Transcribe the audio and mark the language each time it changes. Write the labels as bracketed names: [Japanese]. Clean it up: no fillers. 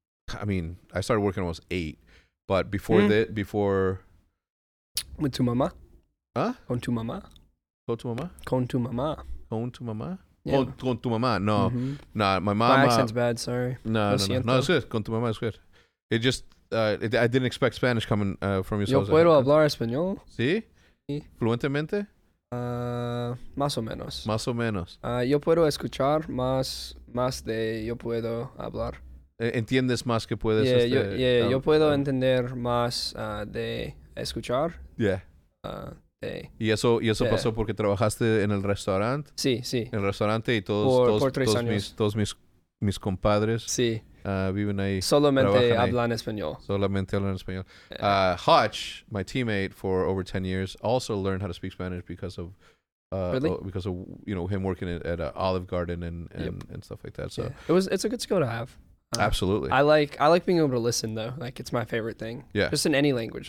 [English] I mean, I started working when I was 8, but before that, before... Went to mama. Huh? [Spanish] Con tu mama. Con tu mama? Con tu mama. Con tu mama? [English] Yeah. [Spanish] Con tu mama, no. [English] Mm-hmm. Nah, my mama... My accent's bad, sorry. No, it's good. [Spanish] Con tu mama [English] is good. It just... I didn't expect Spanish coming from you. [Spanish] Yo puedo hablar español. ¿Sí? Sí. ¿Fluentemente? Más o menos. Más o menos. Yo puedo escuchar más de yo puedo hablar. Entiendes más que puedes. Yeah, yo puedo entender más de escuchar. [English] Yeah. [Spanish] De. Y eso yeah. pasó porque trabajaste en el restaurante. Sí, sí. En el restaurante y todos mis compadres. Sí. Viven ahí. Solamente hablan español. Solamente hablan español. [English] Yeah. Hutch, my teammate for over 10 years, also learned how to speak Spanish because of you know him working at Olive Garden and stuff like that. So yeah. It's a good skill to have. Absolutely. I like being able to listen though. Like it's my favorite thing. Yeah. Just in any language.